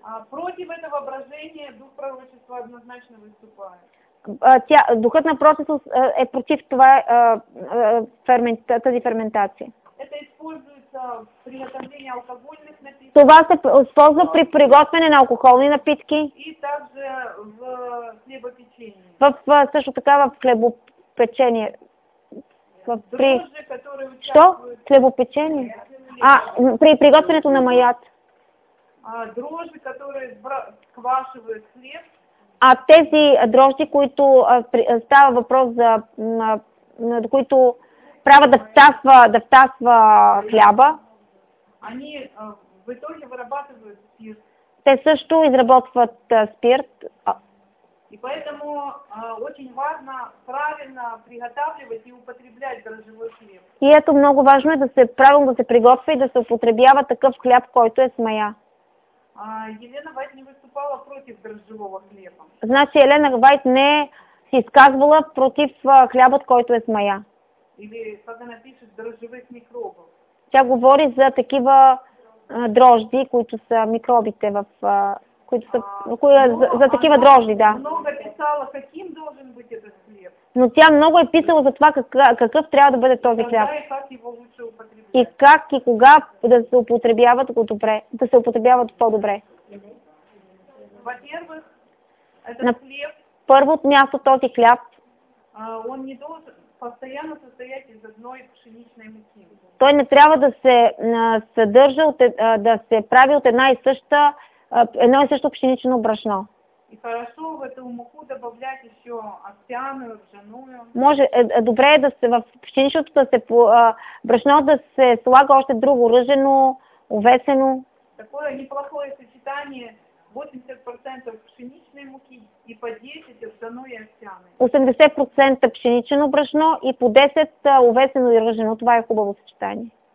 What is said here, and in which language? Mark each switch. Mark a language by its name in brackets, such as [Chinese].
[Russian] Против этого брожения дух пророчества однозначно выступает. [Bulgarian] Духът на пророчество е против това, тази ферментация. [Russian] Это используется при приготовлении алкогольных напитков. [Bulgarian] Това се използва при приготвяне на алкохолни напитки. [Russian] И также в хлебопечение. [Bulgarian] Също така в хлебопечение. При... [Russian] Дрожжи, Што? Хлебопечение? [Bulgarian] При приготвянето на маят. [Russian] Дрожжи, которые сквашивают хлеб. [Bulgarian] Тези дрожди, които става въпрос за които правят да втасва хляба. [Russian] Они в итоге вырабатывают спирт. [Bulgarian] Те също изработват спирт. [Russian] И поэтому очень важно правильно приготавливать и употреблять дрожжевой хлеб. И это [Bulgarian] много важно, да се правилно да се приготвя и да се употребява такъв хляб, който е с мая. [Russian] Елена Вайт не выступала против дрожжевого хлеба. [Bulgarian] Значи Елена Вайт не се изказвала против хлябът, който е с мая. [Russian] Или когато напишет дрожжевых микробов. [Bulgarian] Тя говори за такива дрожди, които са микробите в които са, за такива дрожди, да. [Russian] Много писала, каким должен быть этот хлеб. [Bulgarian] Но тя много е писала за това какъв трябва да бъде този хляб. И как и кога да се употребяват го добре, да се употребяват по-добре. [Russian] Во-первых, этот хлеб. [Bulgarian] Първото място този хляб. [Russian] Он не должен постоянно состоять из одной пшеничной муки. [Bulgarian] Той не трябва да се съдържа, да се прави от една и съща. Едно и също пшенично брашно. [Russian] И хорошо в эту муку добавлять еще овсяную, ржаную. [Bulgarian] Може, добре е да се в пшеничното да се брашно да се слага още друго ръжено, овесено. [Russian] Такое неплохое сочетание 80% пшеничной муки и по 10% ржаной и овсяной. [Bulgarian] 80% пшенично брашно и по 10% овесено и ръжено. Това е хубаво съчетание.